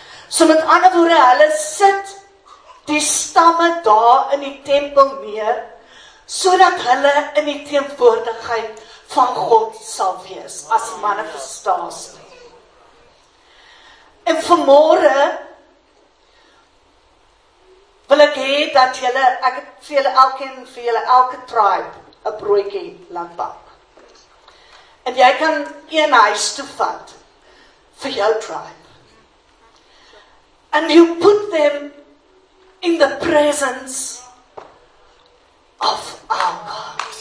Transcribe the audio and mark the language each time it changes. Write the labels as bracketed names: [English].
[Afrikaans] So met ander woorde, hulle sit die stamme daar in die tempel neer, sodat hulle in die teenwoordigheid van God sal wees, as manifestasie. En vanmorgen wil ek hê dat julle, ek het vir julle elkeen, vir julle elke tribe, 'n broodjie laat bak. En jy kan een huis toe vat, [English] for your tribe. And you put them in the presence of our God.